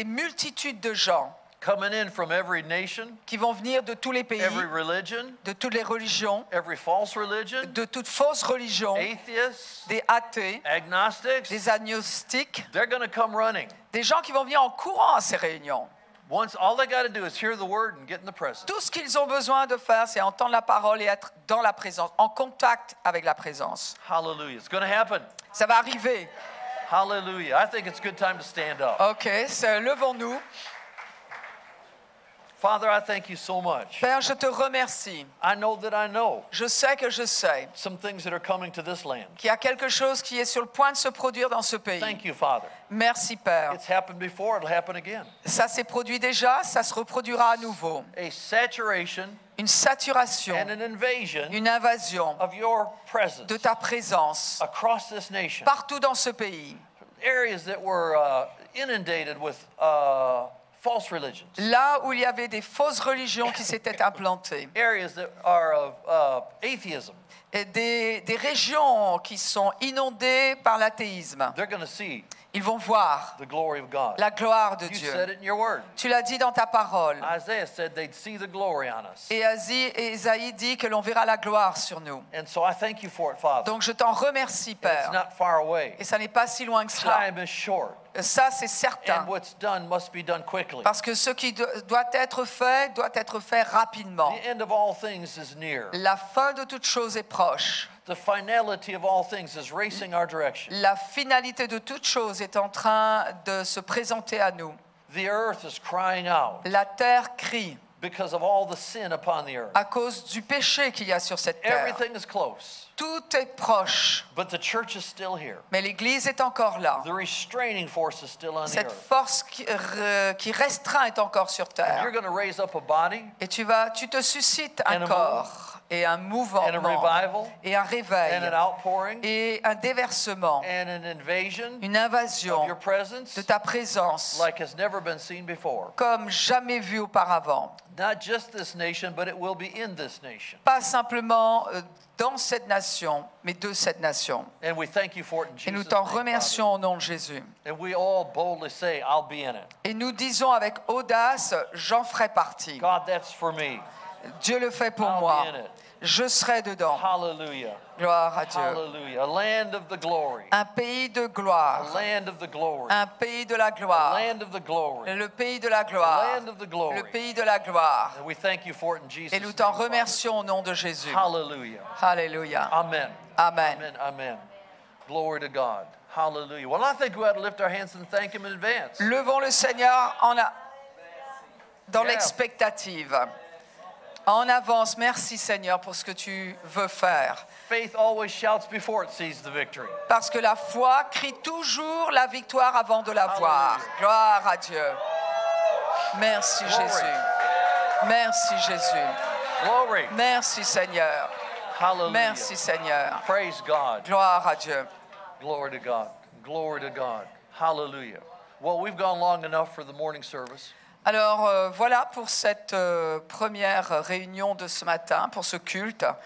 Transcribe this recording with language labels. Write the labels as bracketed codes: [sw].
[fr] Des multitudes de gens. [en] Coming in from every nation, [fr] qui vont venir de tous les pays, [en] every religion, [fr] de toutes les religions, [en] every false religion, [fr] de toutes fausses religions, [en] atheists, [fr] des athées, [en] agnostics, [fr] des agnostiques, [en] they're going to come running. [fr] Des gens qui vont venir en courant à ces réunions. [en] Once all they got to do is hear the word and get in the presence. [fr] Tout ce qu'ils ont besoin de faire, c'est entendre la parole et être dans la présence, en contact avec la présence. [en] Hallelujah, it's going to happen. [fr] Ça va arriver. [en] Hallelujah, I think it's a good time to stand up. [fr] Okay, levons-nous. [en] Father, I thank you so much. [fr] Père, je te remercie. [en] I know that I know. [fr] Je sais que je sais. [en] Some things that are coming to this land. [fr] Qu'il y a quelque chose qui est sur le point de se produire dans ce pays. [en] Thank you, Father. [fr] Merci, Père. [en] It's happened before, it'll happen again. [fr] Ça s'est produit déjà, ça se reproduira à nouveau. [en] A saturation. [fr] Une saturation. [en] And an invasion. [fr] Une invasion. [en] Of your presence. [fr] De ta présence. [en] Across this nation. [fr] Partout dans ce pays. [en] Areas that were inundated with false religions. [fr] Là où il y avait des fausses religions qui s'étaient implantées. [en] Areas that are of atheism. [fr] Et des régions qui sont inondées par l'athéisme. [en] They're going to see. [fr] Ils vont voir [en] the glory of God. [fr] La gloire de [en] you [fr] Dieu. [en] Said it in your word. [fr] Tu l'as dit dans ta parole. [en] Isaiah said they'd see the glory on us. [fr] Et Isaïe dit que l'on verra la gloire sur nous. [en] And so I thank you for it, Father. [fr] Donc je t'en remercie, Père. [en] It's not far away. [fr] Et ça n'est pas si loin que cela. [en] Time is short. [fr] Ça, c'est certain. [en] And what's done must be done quickly. [fr] Parce que ce qui doit être fait rapidement. [en] The end of all things is near. [fr] La fin de toute chose est proche. [en] The finality of all things is racing our direction. [fr] La finalité de toute chose est en train de se présenter à nous. [en] The earth is crying out. [fr] La terre crie. [en] Because of all the sin upon the earth. [fr] À cause du péché qu'il y a sur cette terre. [en] Everything is close. [fr] Tout est proche. [en] But the church is still here. [fr] Mais l'église est encore là. [en] The restraining force is still on [fr] cette [en] the earth. [fr] Cette force qui restreint est encore sur terre. [en] And you're going to raise up a body. [fr] Et tu te suscites un corps. Et un mouvement, [en] and a revival, [fr] et un réveil, [en] and an outpouring, [fr] et un déversement, [en] and an invasion, [fr] une invasion [en] of your presence, [fr] de ta présence, [en] like has never been seen before, [fr] comme jamais vu auparavant. [en] Not just this nation, but it will be in this nation. [fr] Pas simplement dans cette nation, mais de cette nation. [en] And we thank you for it in Jesus' name. [fr] Et nous t'en remercions au nom de Jésus. [en] And we all boldly say, "I'll be in it." [fr] Et nous disons avec audace, j'en ferai partie. [en] God, that's for me. [fr] Dieu le fait pour [en] I'll [fr] moi. Je serai dedans. [en] Hallelujah. [fr] Gloire à Dieu. [en] Hallelujah. A land of the glory. [fr] Un pays de gloire. [en] A land of the glory. [fr] Un pays de la gloire. [en] A land of the glory. [fr] Le pays de la gloire. [en] A land of the glory. [fr] Le pays de la gloire. [en] And we thank you for it in Jesus. [fr] Et nous t'en remercions au nom de Jésus. [en] Hallelujah. Hallelujah. Amen. Amen. Amen. Amen. Glory to God. Hallelujah. Well, I think we ought to lift our hands and thank him in advance. [fr] Levons le Seigneur en dans l'expectative. En avance, merci Seigneur pour ce que tu veux faire. [en] Faith always shouts before it sees the victory. [fr] Parce que la foi crie toujours la victoire avant de la voir. Gloire à Dieu. Merci [en] Glory. [fr] Jésus. Merci Jésus. [en] Glory. [fr] Merci Seigneur. [en] Hallelujah. [fr] Merci Seigneur. [en] Praise God. [fr] Gloire à Dieu. [en] Glory to God. Glory to God. Hallelujah. Well, we've gone long enough for the morning service. [fr] Alors, voilà pour cette première réunion de ce matin, pour ce culte.